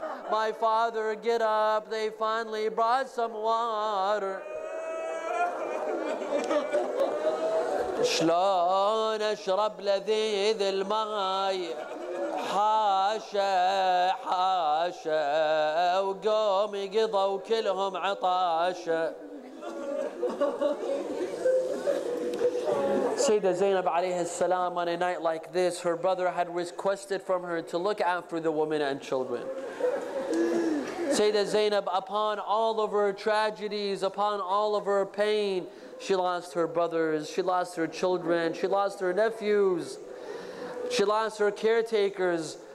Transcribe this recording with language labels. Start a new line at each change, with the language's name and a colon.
English: My father, get up. They finally brought some water.
Arabic: شلون اشرب لذيذ الماي حاشا حاشا وقوم يقضوا كلهم عطاشا.
English: Sayyida Zainab alayhi salam, on a night like this, her brother had requested from her to look after the women and children. Sayyida Zainab, upon all of her tragedies, upon all of her pain, she lost her brothers, she lost her children, she lost her nephews, she lost her caretakers.